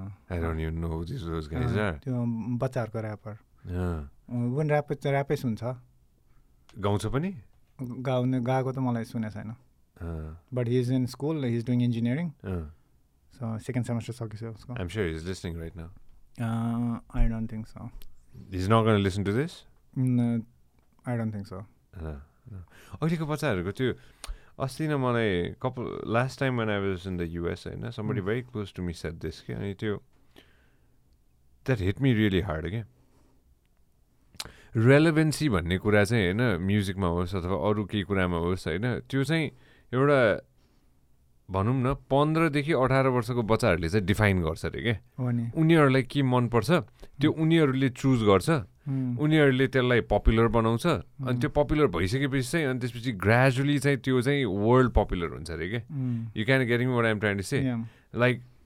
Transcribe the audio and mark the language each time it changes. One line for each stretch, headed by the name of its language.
English: I don't even know who these those guys are.
Nepali: त्यो बच्चाहरूको rapper.
English: Yeah.
Nepali: उन rap ऱ्यापेस हुन्छ. गाउँछ पनि? गाउने गाएको त मलाई सुनेको छैन.
English: But he is in school, he is doing engineering. So second semester
Nepali: सकिसक्यो उसको.
English: I'm sure he's listening right now. I don't think so. He's not going to listen to this? No. I don't think so.
Nepali: अहिलेको बच्चाहरूको त्यो अस्ति नै मलाई कपाल
English: last time when I was in the US होइन somebody very close to me said this के अनि त्यो that hit me really hard के
Nepali: रेलेभेन्सी भन्ने कुरा चाहिँ होइन म्युजिकमा होस् अथवा अरू केही कुरामा होस् होइन त्यो चाहिँ एउटा भनौँ न 15-18 वर्षको बच्चाहरूले चाहिँ डिफाइन गर्छ अरे क्या उनीहरूलाई के मनपर्छ त्यो उनीहरूले चुज गर्छ उनीहरूले त्यसलाई पपुलर बनाउँछ अनि त्यो पपुलर भइसकेपछि चाहिँ अनि त्यसपछि ग्रेजुअली चाहिँ त्यो चाहिँ वर्ल्ड पपुलर हुन्छ अरे क्या
English: you can get me what I am trying to say like